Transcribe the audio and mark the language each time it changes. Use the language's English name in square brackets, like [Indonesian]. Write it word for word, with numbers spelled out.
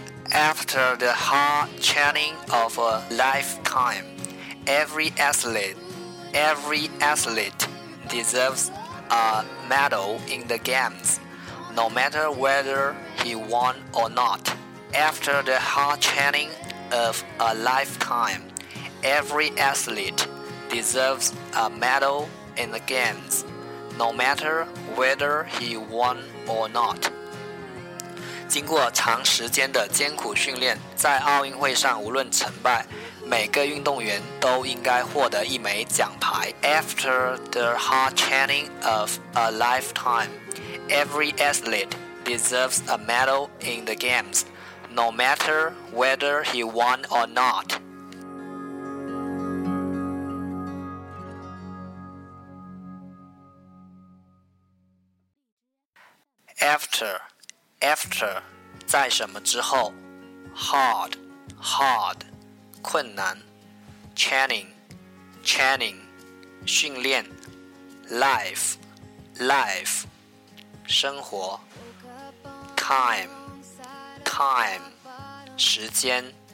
[English] After the hard training of a lifetime, every athlete, every athlete deserves a medal in the games, no matter whether he won or not. After the hard training of a lifetime, every athlete deserves a medal in the games, no matter whether he won or not. [Chinese] 经过长时间的艰苦训练，在奥运会上无论成败，每个运动员都应该获得一枚奖牌。 [English] After the hard training of a lifetime, every athlete deserves a medal in the games, no matter whether he won or not. After. After, [Chinese] 在什么之后。 [English] Hard, hard, [Chinese] 困难。 [English] Training, training, [Chinese] 训练。 [English] Life, life, [Chinese] 生活。 [English] Time, time, [Chinese] 时间。